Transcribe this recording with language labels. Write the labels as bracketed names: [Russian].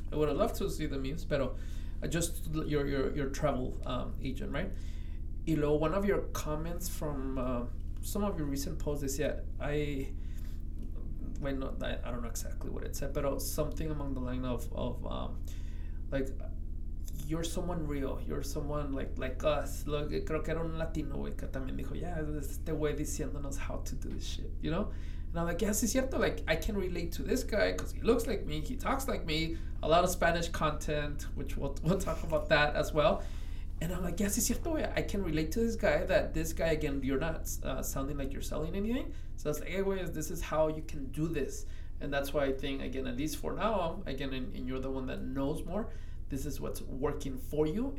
[English] I would have loved to see the memes, pero just your travel agent, right? [Spanish] Y luego, [English] one of your comments from some of your recent posts is, yeah, I, when I don't know exactly what it said, but something along the line of like, you're someone real, you're someone like us. Look, [Spanish] creo que era un latino, güey, que también dijo, [English] yeah, [Spanish] este güey diciéndonos [English] how to do this shit, you know? And I'm like, yeah, [Spanish] sí, cierto, [English] like, I can relate to this guy because he looks like me, he talks like me, a lot of Spanish content, which we'll talk about that as well. And I'm like, yeah, [Spanish] sí, cierto, güey, [English] I can relate to this guy, that this guy, again, you're not sounding like you're selling anything. So I was like, hey, güey, this is how you can do this. And that's why I think, again, at least for now, again, and you're the one that knows more, this is what's working for you.